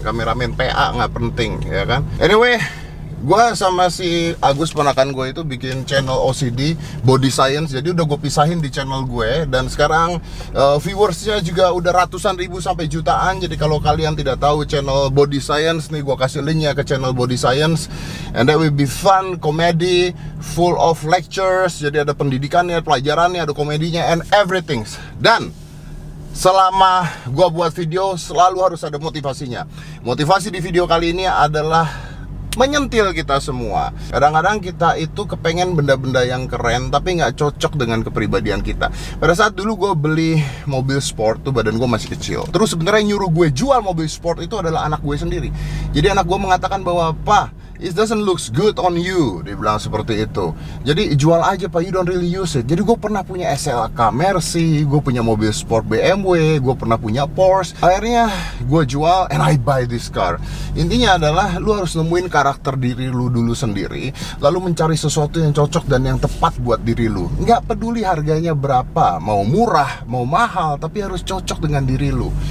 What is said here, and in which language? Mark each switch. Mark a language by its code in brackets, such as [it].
[id] Kameramen PA nggak penting, ya kan? Anyway, gue sama si Agus ponakan gue itu bikin channel OCD Body Science. Jadi udah gue pisahin di channel gue. Dan sekarang viewersnya juga udah ratusan ribu sampai jutaan. Jadi kalau kalian tidak tahu channel Body Science nih, gue kasih linknya ke channel Body Science. [en] And that will be fun, comedy, full of lectures. [id] Jadi ada pendidikannya, pelajarannya, ada komedinya, and everything. Dan selama gue buat video selalu harus ada motivasinya. Motivasi di video kali ini adalah menyentil kita semua. Kadang-kadang kita itu kepengen benda-benda yang keren tapi nggak cocok dengan kepribadian kita. Pada saat dulu gue beli mobil sport tuh badan gue masih kecil. Terus sebenarnya nyuruh gue jual mobil sport itu adalah anak gue sendiri. Jadi anak gue mengatakan bahwa, "Pa, [en] it doesn't looks good on you," [id] dibilang seperti itu. Jadi jual aja pak, [en] you don't really use it. [id] Jadi gue pernah punya SLK Mercy, gue punya mobil sport BMW, gue pernah punya Porsche. Akhirnya gue jual [en] and I buy this car. [id] Intinya adalah lu harus nemuin karakter diri lu dulu sendiri, lalu mencari sesuatu yang cocok dan yang tepat buat diri lu. Nggak peduli harganya berapa, mau murah, mau mahal, tapi harus cocok dengan diri lu.